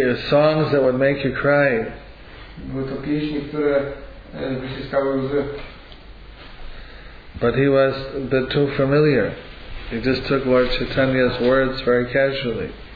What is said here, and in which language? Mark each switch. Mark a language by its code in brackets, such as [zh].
[en] Songs that would make you cry. [pl] Były to pieśni, które wyciskały łzy. [en] But he was a bit too familiar. He just took Lord Chaitanya's words very casually.